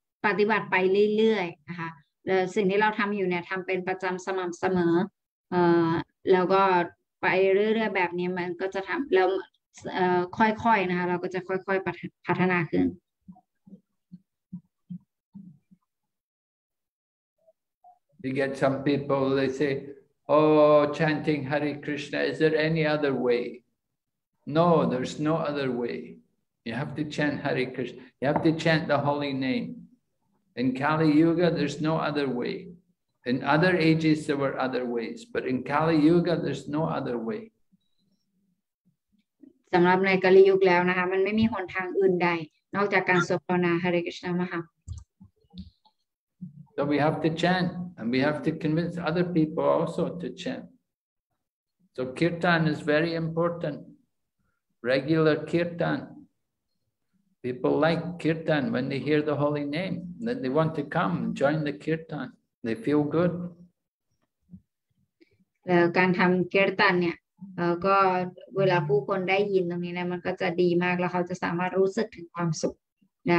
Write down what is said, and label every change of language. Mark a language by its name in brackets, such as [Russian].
[Thai] ปฏิบัติไปเรื่อยๆนะคะแล้วสิ่งที่เราทำอยู่เนี่ยทำเป็นประจำสม่ำเสมอแล้วก็ไปเรื่อยๆแบบนี้มันก็จะทำแล้วค่อยๆนะคะเราก็จะค่อยๆพัฒนาขึ้น [English] You get some people, they say, oh, chanting Hare Krishna, is there any other way? No, there's no other way. You have to chant Hare Krishna. You have to chant the holy name. In Kali Yuga, there's no other way. In other ages, there were other ways. But in Kali Yuga, there's no other way. [Thai] สำหรับในกาลยุคแล้วนะคะมันไม่มีหนทางอื่นใดนอกจากการสวดภาวนาHare Krishna Maha. [English] So we have to chant, and we have to convince other people also to chant. So kirtan is very important. Regular kirtan. People like kirtan when they hear the holy name. Then they want to come and join the kirtan. They feel good. [Thai] การทำกีร์ตันเนี่ยก็เวลาผู้คนได้ยินตรงนี้เนี่ยมันก็จะดีมากแล้วเขาจะสามารถรู้สึกถึงความสุขได